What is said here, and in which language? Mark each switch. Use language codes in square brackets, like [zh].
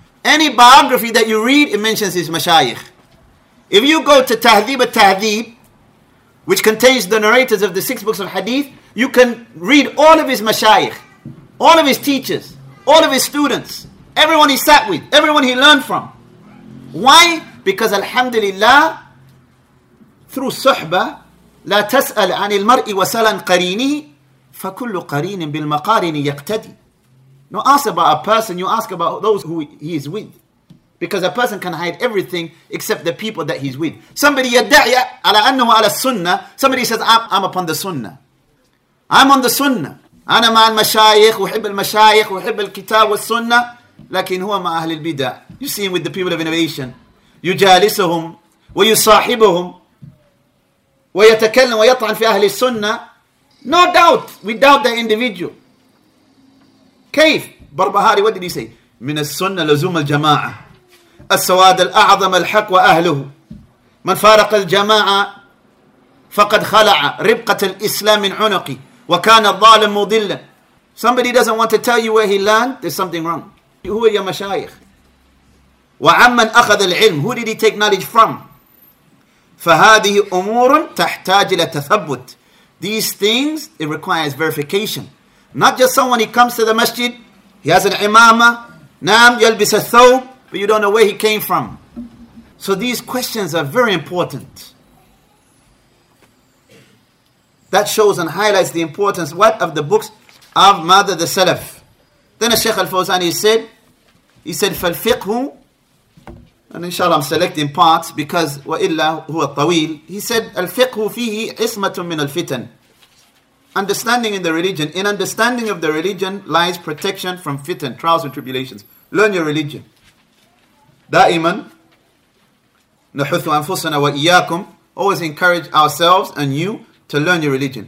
[en] Any biography that you read, it mentions his mashayikh. If you go to Tahdhib al-Tahdhib, which contains the narrators of the six books of hadith, you can read all of his mashayikh, all of his teachers, all of his students, everyone he sat with, everyone he learned from. Why? Because alhamdulillah, through suhba, [ar] لا تسأل عن المرء وسأل عن قرينه فكل قرين بالمقارن يقتدي. [en] No, ask about a person, you ask about those who he is with. Because a person can hide everything except the people that he's with. [ar] Somebody يدعي على أنه على السنة. [en] Somebody says, I'm upon the sunnah. I'm on the sunnah. [ar] أنا مع المشايخ وحب المشايخ وحب الكتاب والسنة لكن هو مع أهل البدع. [en] You see him with the people of innovation. [ar] يجالسهم ويصاحبهم ويتكلم ويطعن في أهل السنة. [en] No doubt. We doubt the individual. كيف؟ بربهاري, what did he say? [ar] من السنة لزوم الجماعة السواد الأعظم الحق وأهله من فارق الجماعة فقد خلع ربقة الإسلام من عنقي. وَكَانَ الظَّالِمُ مُضِلًّا. [en] Somebody doesn't want to tell you where he learned, there's something wrong. Who are your mashayikh? [ar] وَعَمَّنْ أَخَذَ الْعِلْمُ. [en] Who did he take knowledge from? [ar] فَهَذِهِ أُمُورٌ تَحْتَاجِ لَتَثَبُّتٍ. [en] These things, it requires verification. Not just someone, he comes to the masjid, he has an imamah, [ar] نَعْمْ يَلْبِسَ الثَّوْبِ, [en] but you don't know where he came from. So these questions are very important. That shows and highlights the importance, what, of the books of Madha the Salaf. Then Shaykh Al-Fawzani said, فَالْفِقْهُ And inshallah, I'm selecting parts because [ar] وَإِلَّا هُوَ الطَّوِيلِ. [en] He said, [ar] الْفِقْهُ فِيهِ عِصْمَةٌ مِّنَ الْفِتَنِ. [en] Understanding in the religion, in understanding of the religion lies protection from fitan, trials and tribulations. Learn your religion. [ar] دائماً نَحُثُ أَنفُسَنَا وَإِيَّاكُمْ. [en] Always encourage ourselves and you to learn your religion.